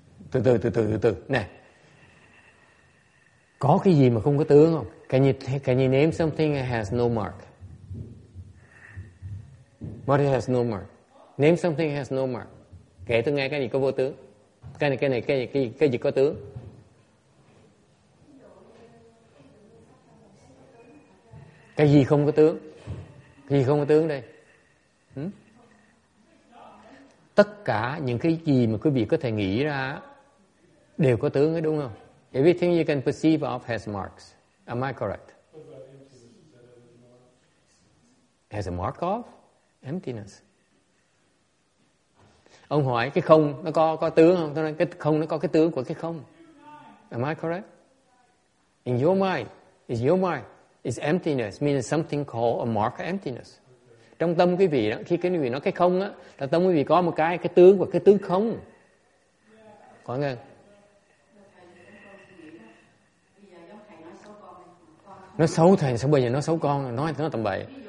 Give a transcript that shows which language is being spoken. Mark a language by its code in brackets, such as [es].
[vi] Từ từ. Nè. Có cái gì mà không có tướng không? [en] Can you name something that has no mark? What has no mark? Name something that has no mark. [vi] Kể tôi nghe cái gì có vô tướng. Cái gì có tướng? Cái gì không có tướng? Cái gì không có tướng đây? Tất cả những cái gì mà quý vị có thể nghĩ ra đều có tướng ấy, đúng không? [en] Everything you can perceive of has marks. Am I correct? Has a mark of emptiness. [vi] Ông hỏi cái không nó có tướng không? Tôi nói cái không nó có cái tướng của cái không. [en] Am I correct? In your mind, is your mind is emptiness means something called a mark of emptiness. [vi] Trong tâm quý vị đó, khi quý vị nói cái không á, là tâm quý vị có một cái tướng của cái tướng không. Có nghe? Nó xấu thầy, sao bây giờ nó xấu con, nói nó tầm bậy.